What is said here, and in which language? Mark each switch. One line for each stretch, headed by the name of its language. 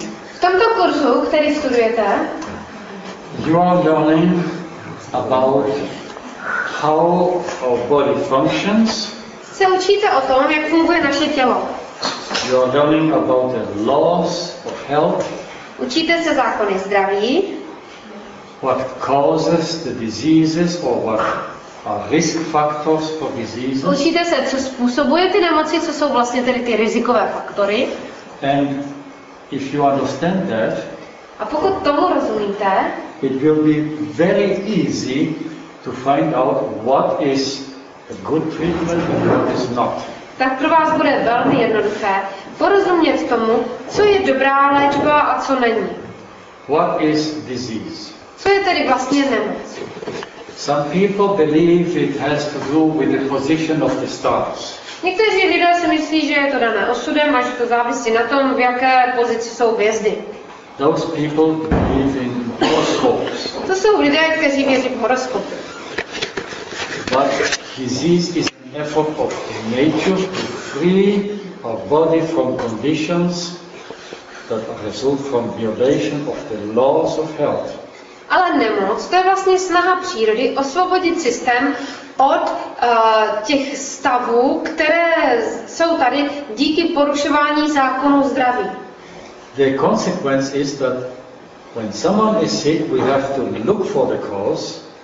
Czech: V tomto kurzu, který studujete.
English: You are learning about how our body functions.
Czech: Se učíte o tom, jak funguje naše tělo.
English: You are learning about the laws of health.
Czech: Učíte se zákony zdraví.
English: What causes the diseases or what are risk factors for diseases.
Czech: Učíte se, co způsobuje ty nemoci, co jsou vlastně tedy ty rizikové faktory.
English: And if you understand that,
Czech: a pokud tomu rozumíte,
English: it will be very easy to find out what is a good treatment and what is not.
Czech: Tak pro vás bude velmi jednoduché porozumět tomu, co je dobrá léčba a co není.
English: What is disease?
Czech: Co je tedy vlastně nemoc?
English: Some people believe it has to do with the position of the stars.
Czech: Někteří lidé si myslí, že je to dané osudem a že to závisí na tom, v jaké pozici jsou hvězdy.
English: Those people believe in horoscopes.
Czech: To jsou lidé, kteří věří v horoskopy.
English: But disease is an effort of nature to free our body from conditions that result from violation of the laws of health.
Czech: Ale nemoc, to je vlastně snaha přírody osvobodit systém od těch stavů, které jsou tady díky porušování zákonu zdraví.
English: The consequence is that when someone is sick, we have to look for the cause.